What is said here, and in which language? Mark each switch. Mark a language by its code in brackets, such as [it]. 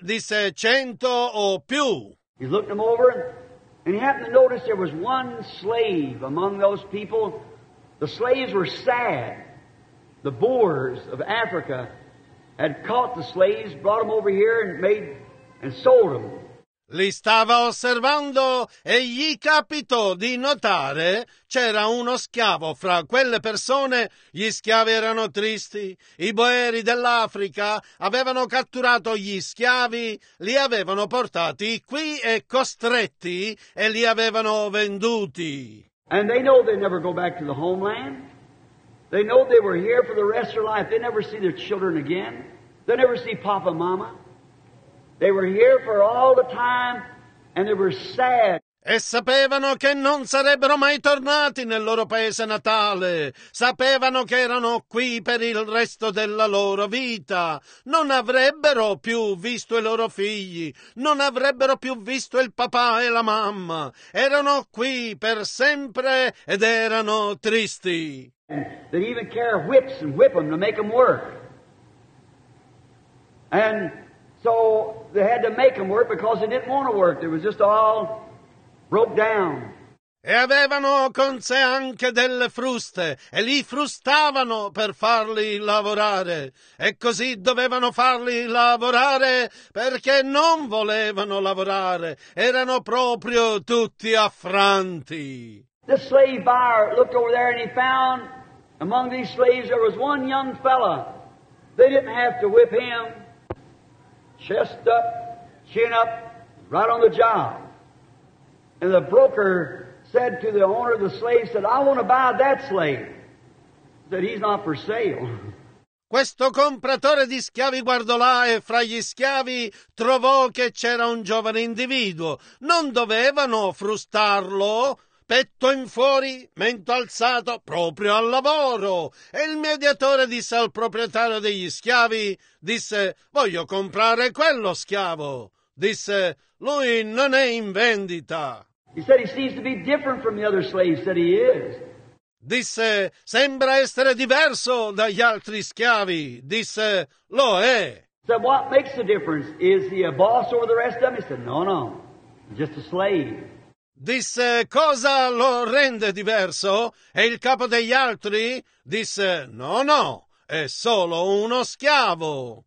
[it] Disse 100 o più. [en] He looked them over, and he happened to notice there was one slave among those people. The slaves were sad. The Boers of Africa had caught the slaves, brought them over here, and sold them. [it] Li stava osservando e gli capitò di notare c'era uno schiavo fra quelle persone. Gli schiavi erano tristi. I boeri dell'Africa avevano catturato gli schiavi, li avevano portati qui e costretti e li avevano venduti. [en] And they know they never go back to the homeland. They know they were here for the rest of their life. They never see their children again. They never see papa, mama. They were here for all the time, and they were sad. [it] E sapevano che non sarebbero mai tornati nel loro paese natale. Sapevano che erano qui per il resto della loro vita. Non avrebbero più visto i loro figli. Non avrebbero più visto il papà e la mamma. Erano qui per sempre ed erano tristi. [en] They even carry whips and whip them to make them work. And so they had to make them work because they didn't want to work. It was just all broke down. [it] E avevano con sé anche delle fruste e li frustavano per farli lavorare. E così dovevano farli lavorare perché non volevano lavorare. Erano proprio tutti affranti. [en] The slave buyer looked over there and he found among these slaves there was one young fella. They didn't have to whip him. Chest up, chin up, right on the job. And the broker said to the owner of the slave, said, I want to buy that slave. Said, he's not for sale. [it] Questo compratore di schiavi guardò là e fra gli schiavi trovò che c'era un giovane individuo. Non dovevano frustarlo petto in fuori, mento alzato, proprio al lavoro. E il mediatore disse al proprietario degli schiavi, disse, voglio comprare quello schiavo. Disse, lui non è in vendita. [en] He said he seems to be different from the other slaves that he is. [it] Disse, sembra essere diverso dagli altri schiavi. Disse, lo è. [en] So what makes the difference? Is he a boss over the rest of them? He said, no, no, just a slave. [it] Disse, cosa lo rende diverso? È il capo degli altri? Disse, no, no, è solo uno schiavo.